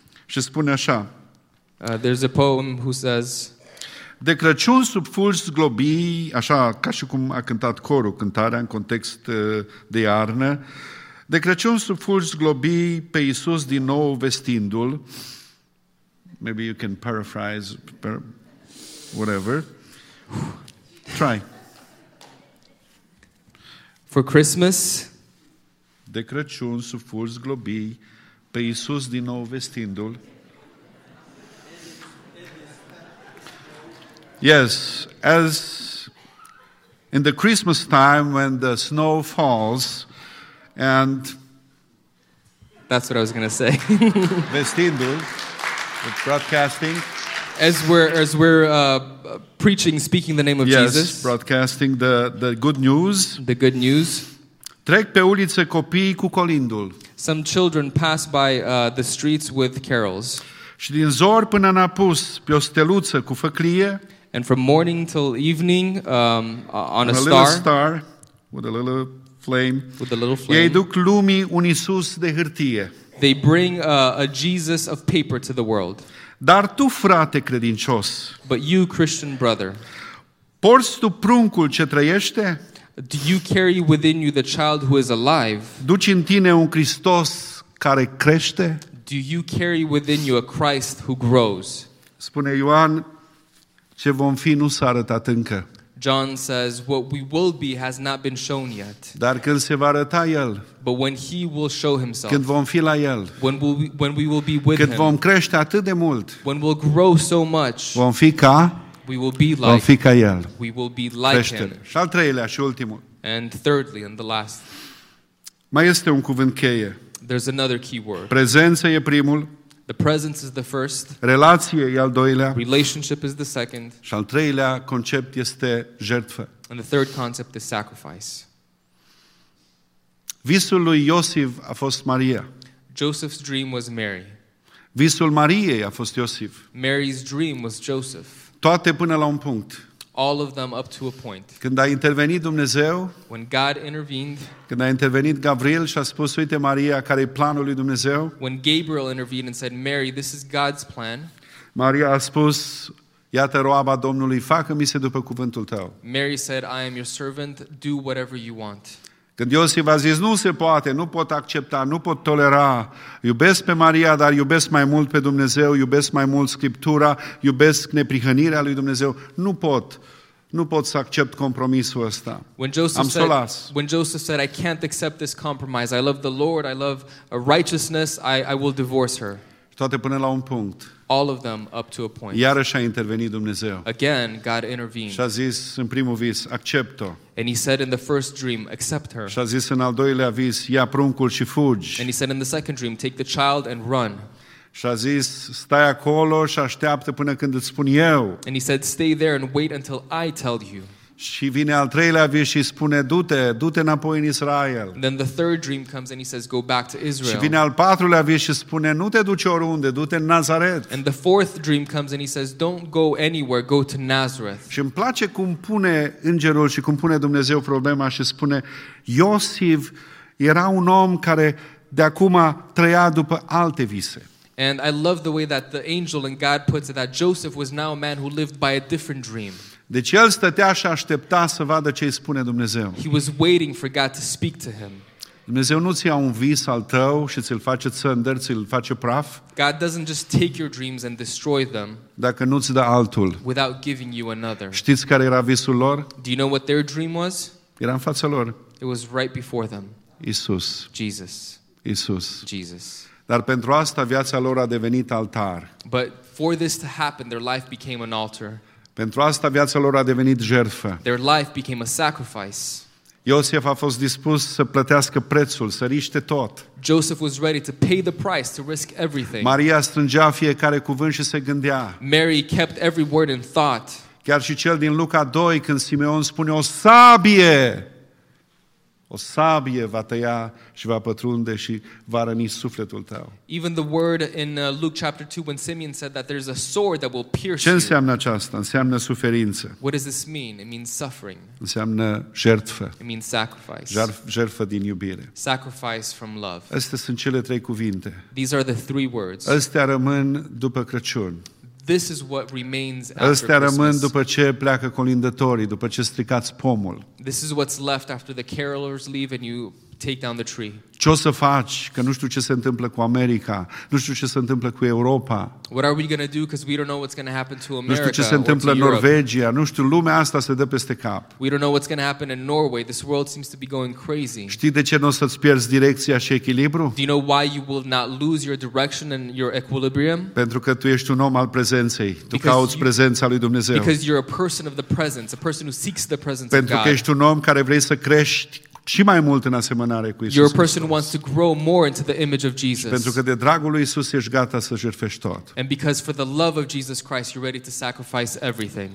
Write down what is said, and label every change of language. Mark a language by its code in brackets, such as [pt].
[ro] Și spune așa. [en] There's a poem who says... [ro] De Crăciun sub fulgi zglobii, așa ca și cum a cântat corul, cântarea în context de iarnă, de Crăciun sub fulgi zglobii pe Iisus din nou vestindu-l. [en] Maybe you can paraphrase, whatever. Try. For Christmas... [ro] De Crăciun sub fulgi zglobii pe Iisus din nou vestindu-l. [en] Yes, as in the Christmas time when the snow falls and That's what I was going to say. Vestindu-l, broadcasting. As we're preaching, speaking the name of yes, Jesus. Yes, broadcasting the good news. The good news. [ro] Trec pe ulițe copiii cu colindul. [en] Some children pass by the streets with carols. [ro] Și din zor până în apus, pe o steluță cu făclie. [en] And from morning till evening on a star. Little star with a little flame. With a little flame. [ro] Ei duc lumii un Iisus de hârtie. [en] They bring a Jesus of paper to the world. [ro] Dar tu, frate credincios, [en] but you, Christian brother, [ro] porți tu pruncul ce trăiește? [en] Do you carry within you the child who is alive? [ro] Duci în tine un Hristos care crește? [en] Do you carry within you a Christ who grows? [ro] Spune Ioan, ce vom fi nu s-a arătat încă. [en] John says, what we will be has not been shown yet. [ro] Dar când se va arăta El, [en] but when he will show himself, [ro] când vom fi la El, [en] when we will be with [ro] când vom crește atât de mult, [en] when we'll grow so much, [ro] vom fi ca, [en] we will be like, [ro] vom fi ca El. [en] We will be like him. [ro] Și al treilea și ultimul. [en] And thirdly, and the last. [ro] Mai este un cuvânt cheie. [en] There's another key word. [ro] Prezența e primul. [en] The presence is the first. [ro] Relație e al doilea. [en] Relationship is the second. [ro] Și al treilea concept este jertfă. [en] And the third concept is sacrifice. [ro] Visul lui Iosif a fost Maria. [en] Joseph's dream was Mary. [ro] Visul Mariei a fost Iosif. [en] Mary's dream was Joseph. [ro] Toate până la un punct. [en] All of them up to a point. [ro] Când a intervenit Dumnezeu, [en] when God intervened, [ro] când a intervenit Gabriel și a spus, uite Maria, care e planul lui Dumnezeu, [en] when Gabriel intervened and said, Mary, this is God's plan, [ro] Maria a spus, iată roaba Domnului, facă-mi-se după cuvântul tău. [en] Mary said, I am your servant, do whatever you want. [ro] Când Iosif a zis, nu se poate, nu pot accepta, nu pot tolera, iubesc pe Maria, dar iubesc mai mult pe Dumnezeu, iubesc mai mult Scriptura, iubesc neprihănirea lui Dumnezeu, nu pot să accept compromisul ăsta. [en] When Joseph said, I can't accept this compromise, I love the Lord, I love righteousness, I will divorce her. [ro] Toate până la un punct. [en] All of them up to a point. [ro] Iarăși a intervenit Dumnezeu. [en] Again, God intervened. [ro] Și a zis în primul vis, accept-o. [en] And he said in the first dream, accept her. [ro] Și a zis în al doilea vis, ia pruncul și fugi. [en] And he said in the second dream, take the child and run. [ro] Și a zis, stai acolo și așteaptă până când îți spun eu. [en] And he said, stay there and wait until I tell you. [ro] Și vine al treilea vis și spune, du-te înapoi în Israel. [en] Then the third dream comes and he says, go back to Israel. [ro] Și vine al patrulea vis și spune, nu te duci oriunde, du-te în Nazaret. [en] And the fourth dream comes and he says, don't go anywhere, go to Nazareth. [ro] Și îmi place cum pune îngerul și cum pune Dumnezeu problema și spune, Iosif era un om care de acum trăia după alte vise. [en] And I love the way that the angel and God puts it, that Joseph was now a man who lived by a different dream. [ro] Deci el stătea și aștepta să vadă ce îi spune Dumnezeu. [en] He was waiting for God to speak to him. [ro] Dumnezeu nu-ți ia un vis al tău și ți-l face țăndăr, ți-l face praf. [en] God doesn't just take your dreams and destroy them. [ro] Dacă nu-ți dă altul. [en] Without giving you another. [ro] Știți care era visul lor? [en] Do you know what their dream was? [ro] Era în fața lor. [en] It was right before them. [ro] Isus. [en] Jesus. [ro] Isus. [en] Jesus. [ro] Dar pentru asta viața lor a devenit altar. [en] But for this to happen, their life became an altar. [ro] Pentru asta viața lor a devenit jertfă. [en] Their life became a sacrifice. [ro] Iosif a fost dispus să plătească prețul, să riște tot. [en] Joseph was ready to pay the price, to risk everything. [ro] Maria strângea fiecare cuvânt și se gândea. [en] Mary kept every word in thought. [ro] Chiar și cel din Luca 2, când Simeon spune, o sabie! O sabie va tăia și va pătrunde și va răni sufletul tău. [en] Even the word in Luke chapter 2 when Simeon said that there's a sword that will pierce you. [ro] Ce înseamnă aceasta? Înseamnă suferință. [en] What does this mean? It means suffering. [ro] Înseamnă jertfă. [en] It means sacrifice. [ro] Jertfă din iubire. [en] Sacrifice from love. [ro] Astea sunt cele trei cuvinte. [en] These are the three words. [ro] Astea rămân după Crăciun. [en] This is what remains after Christmas. [ro] Astea rămân după ce pleacă colindătorii, după ce stricați pomul. [en] This is what's left after the carolers leave and you take down the tree. [ro] Ce o să faci? Că nu știu ce se întâmplă cu America. Nu știu ce se întâmplă cu Europa. [en] What are we going to do? Because we don't know what's going to happen to America. [ro] Nu știu ce se întâmplă în Norvegia. Nu știu, lumea asta se dă peste cap. [en] We don't know what's going to happen in Norway. This world seems to be going crazy. [ro] Știi de ce nu o să-ți pierzi direcția și echilibru? [en] Do you know why you will not lose your direction and your equilibrium? [ro] Pentru că tu ești un om al prezenței. Tu cauți prezența lui Dumnezeu. [en] Because you're a person of the presence, a person who seeks the presence of God. [ro] Pentru că ești un om care vrei să crești și mai mult în asemănare cu Isus. [en] You're a person who wants to grow more into the image of Jesus. [ro] Pentru că de dragul lui Isus ești gata să jertfești tot. [en] And because for the love of Jesus Christ you're ready to sacrifice everything.